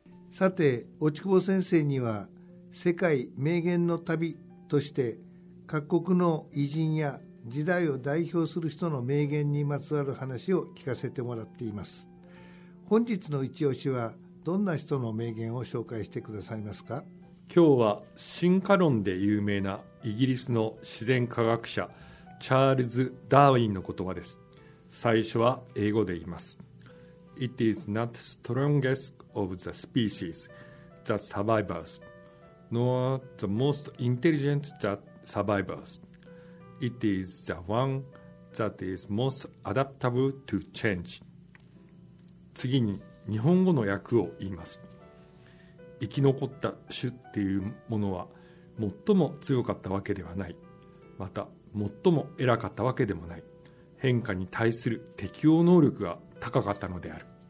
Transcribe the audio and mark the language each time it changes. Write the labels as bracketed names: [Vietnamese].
[Japanese] さて、落ち久保先生には世界名言の旅として各国の偉人や時代を代表する人の名言にまつわる話を聞かせてもらっています。本日の一押しはどんな人の名言を紹介してくださいますか？今日は進化論で有名なイギリスの自然科学者チャールズ・ダーウィンの言葉です。最初は英語で言います。 [English] It is not strongest of the species that survivesNor the most intelligent that survivors. It is the one that is most adaptable to change. [Japanese] 次に日本語の訳を言います。生き残った種っていうものは最も強かったわけではない。また最も偉かったわけでもない。変化に対する適応能力が高かったのである。